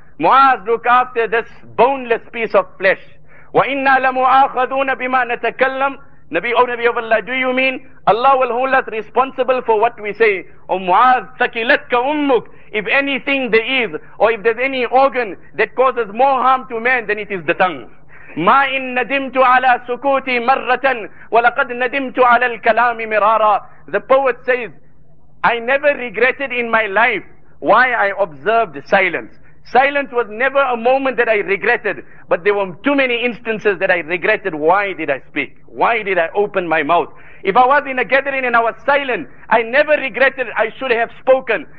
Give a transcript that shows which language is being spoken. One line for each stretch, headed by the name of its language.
English: Muaz, look after this boneless piece of flesh.
Arabic: وَإِنَّا لَمُؤَاخَذُونَ بِمَا نَتَكَلَّمْ.
English: Nabi of Allah, do you mean Allah will hold us responsible for what we say? O Muaz,
Arabic: ثَكِلَتْكَ أُمُّكَ.
English: If anything there is, or if there's any organ that causes more harm to man, then it is the tongue.
Arabic: مَا إِن نَدِمْتُ عَلَى سُكُوتِ مَرَّةً وَلَقَدْ نَدِمْتُ عَلَى الْكَلَامِ مِرَارًا.
English: The poet says, I never regretted in my life why I observed silence. Silence was never a moment that I regretted, but there were too many instances that I regretted. Why did I speak? Why did I open my mouth? If I was in a gathering and I was silent, I never regretted I should have spoken.